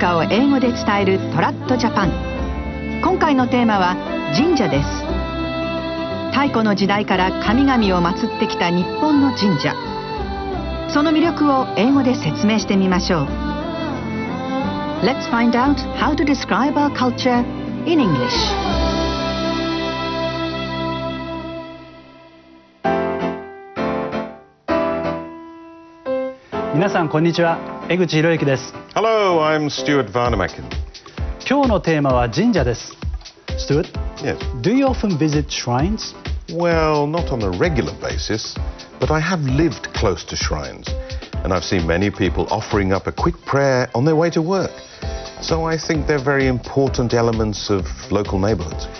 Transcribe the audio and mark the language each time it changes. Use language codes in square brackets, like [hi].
[ja] 英語で伝えるトラッドジャパン。今回のテーマは神社です。太古の時代から神々を祀ってきた日本の神社、その魅力を英語で説明してみましょう。 [en] Let's find out how to describe our culture in English. [ja] みなさんこんにちは、江口浩之です。 [en] Hello, I'm Stuart Varnamakin. [ja] 今日のテーマは神社です。 [en] Stuart, Yes. Do you often visit shrines? Well, not on a regular basis, but I have lived close to shrines, and I've seen many people offering up a quick prayer on their way to work. So I think they're very important elements of local neighborhoods.